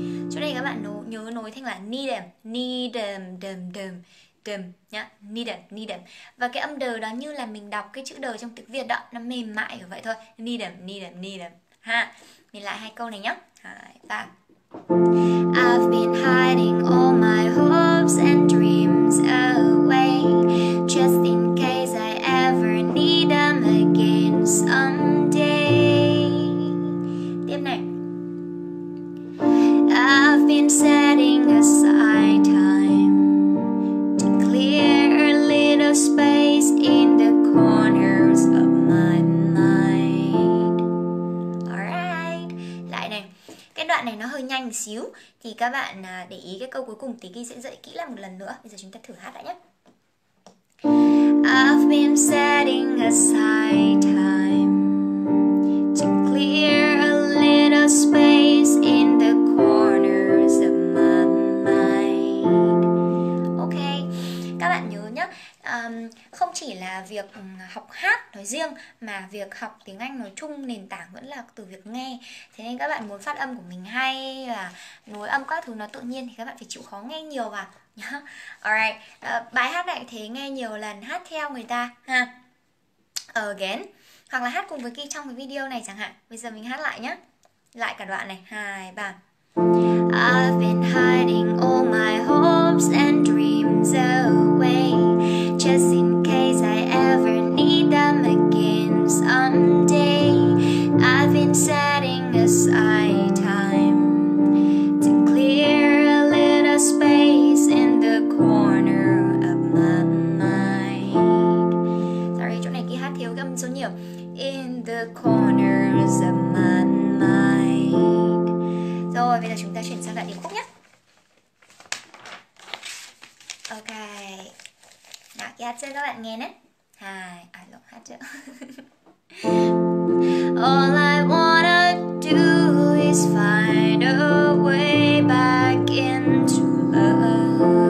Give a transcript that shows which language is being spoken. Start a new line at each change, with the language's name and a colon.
Vietnamese: Chỗ này các bạn nhớ nối thành là
English: need them
Vietnamese: nhá.
English: Need them.
Vietnamese: Và cái âm đờ đó như là mình đọc cái chữ đờ trong tiếng Việt đó, nó mềm mại kiểu vậy thôi.
English: Need them.
Vietnamese: Ha. Mình lại hai câu này nhé. Hai, ba.
English: I've been hiding all my hopes and dreams away, just in case I ever need them again someday.
Vietnamese: Tiếp này.
English: I've been setting aside time to clear a little space in the corners of my mind. Alright.
Vietnamese: Lại này. Cái đoạn này nó hơi nhanh xíu, thì các bạn để ý cái câu cuối cùng tí ghi sẽ dạy kỹ lại một lần nữa. Bây giờ chúng ta thử hát lại nhé.
English: I've been setting aside time to clear a little space in the corners of my mind.
Vietnamese: Ok, các bạn nhớ nhé. Không chỉ là việc học hát nói riêng mà việc học tiếng Anh nói chung, nền tảng vẫn là từ việc nghe. Thế nên các bạn muốn phát âm của mình hay và nối âm các thứ nó tự nhiên thì các bạn phải chịu khó nghe nhiều vào nhá.
English: Alright.
Vietnamese: Bài hát này thế nghe nhiều lần, hát theo người ta ha.
English: Again.
Vietnamese: Hoặc là hát cùng với Ki trong cái video này chẳng hạn. Bây giờ mình hát lại nhá. Lại cả đoạn này. 2, 3.
English: I've been hiding all my hopes and dreams away, just in case I ever need them again someday. I've been setting aside time to clear a little space in the corner of my mind. Sorry,
Vietnamese: chỗ này ghi hát thiếu âm số nhiều.
English: In the corners of my mind.
Vietnamese: Rồi, bây giờ chúng ta chuyển sang đoạn điệp khúc nhé. Ok. Nào, hát cho các bạn nghe nhé. Hai, à lộn, hát cho.
English: All I wanna do is find a way back into love.